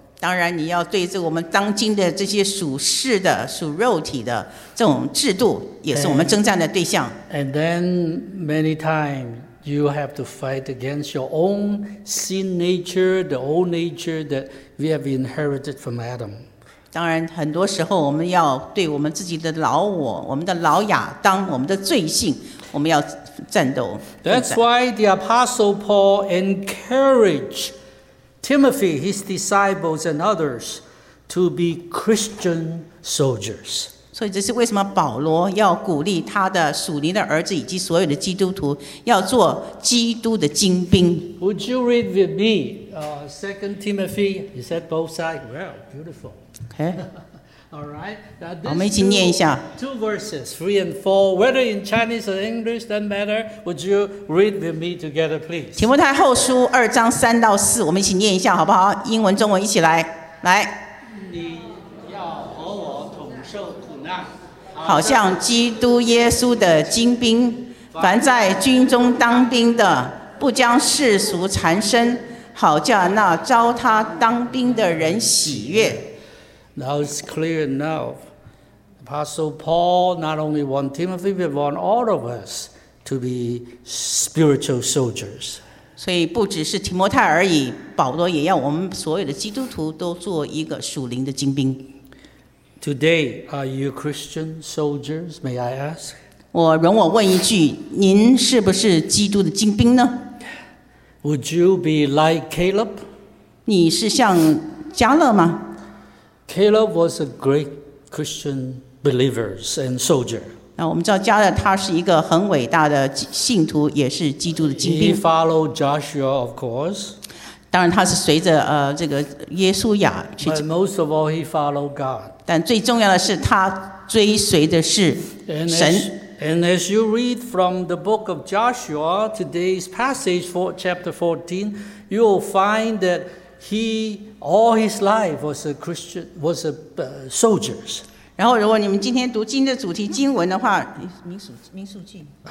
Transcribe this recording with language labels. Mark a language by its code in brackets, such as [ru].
[zh] 当然，你要对这我们当今的这些属世的、属肉体的这种制度，也是我们征战的对象。 [en] And then many times you have to fight against your own sin nature, the old nature that we have inherited from Adam. [zh] 当然，很多时候我们要对我们自己的老我、我们的老亚当、我们的罪性，我们要战斗。 [en] That's why the Apostle Paul encouraged Timothy, his disciples, and others to be Christian soldiers. [zh] 所以这是为什么保罗要鼓励他的属灵的儿子以及所有的基督徒要做基督的精兵。 [en] Would you read with me, Second Timothy? Is that both sides? Well, beautiful. Okay. All right. [zh] 我们一起念一下。 [en] Two verses, 3 and 4, whether in Chinese or English, doesn't matter. Would you read with me together, please? [zh] 提摩太后书2:3-4，我们一起念一下，好不好？英文、中文一起来，来。你要和我同受苦难，好像基督耶稣的精兵。凡在军中当兵的，不将世俗缠身，好叫那招他当兵的人喜悦。 [en] Now it's clear enough. Apostle Paul not only wants Timothy, but wants all of us to be spiritual soldiers. [zh] 所以不只是提摩太而已，保罗也要我们所有的基督徒都做一个属灵的精兵。 [en] Today, are you Christian soldiers? May I ask? [zh] 我容我问一句，您是不是基督的精兵呢？ [en] Would you be like Caleb? [zh] 你是像迦勒吗？ [en] Caleb was a great Christian believer and soldier. [zh] 那我们知道迦勒他是一个很伟大的信徒，也是基督的精兵。 [en] He followed Joshua, of course. [zh] 当然，他是随着这个约书亚去。 [en] But most of all, he followed God. [zh] 但最重要的是，他追随的是神。 [en] And as you read from the book of Joshua, today's passage for chapter 14, you will find that. He all his life was a Christian, was a soldier. [zh] 然后，如果你们今天读今天的主题经文的话，民数记。